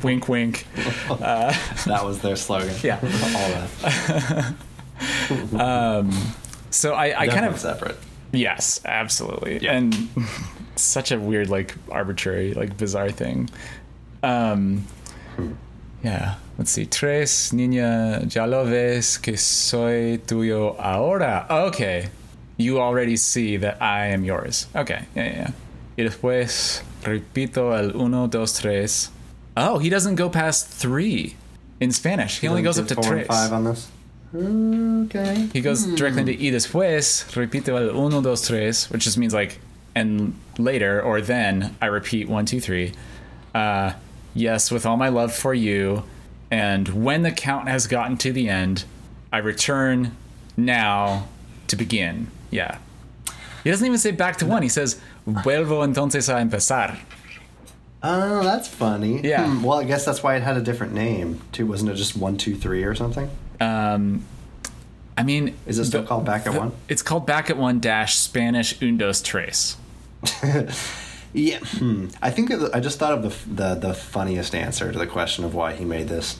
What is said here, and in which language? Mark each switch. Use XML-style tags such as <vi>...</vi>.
<en>Wink, wink. That was their slogan. Yeah. All that. So I kind of separate. Yes, absolutely. Yep. And such a weird, like, arbitrary, like, bizarre thing. Yeah. Let's see.</en> <es>Tres, niña, ya lo ves que soy tuyo ahora.</es> <en>Okay. You already see that I am yours. Okay, yeah.</en> <es>Y después, repito el uno, dos, tres.</es> <en>Oh, he doesn't go past three in Spanish. He only goes up to four</en> <es>tres.</es> <en>And five on this. Okay. He goes directly to</en> <es>y después, repito el uno, dos, tres,</es> <en>which just means like, and later, or then, I repeat one, two, three. Yes, with all my love for you, and when the count has gotten to the end, I return now to begin. Yeah. He doesn't even say back to one. He says,</en> <es>vuelvo entonces a empezar.</es> <en>Oh, that's funny. Yeah. Well, I guess that's why it had a different name, too. Wasn't it just 1, 2, 3 or something? I mean... Is it still called back at one? It's called back at one dash Spanish</en> <es>un, dos, tres.</es> <en>Yeah. I think I just thought of the funniest answer to the question of why he made this.</en>